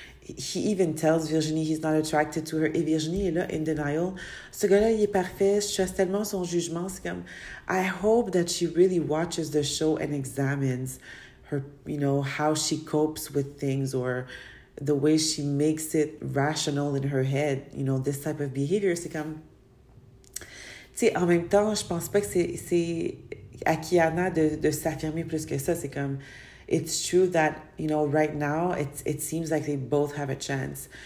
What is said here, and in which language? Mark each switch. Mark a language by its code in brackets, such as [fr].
[en] He even tells Virginie he's not attracted to her. [fr] Et Virginie est là, [en] in denial. [fr] Ce gars-là, il est parfait. Je trust tellement son jugement. C'est comme, [en] I hope that she really watches the show and examines her, you know, how she copes with things or the way she makes it rational in her head, you know, this type of behavior. [fr] C'est comme, tu sais, en même temps, je pense pas que c'est à Kiana de s'affirmer plus que ça. C'est comme, [en] it's true that, you know, right now, it seems like they both have a chance.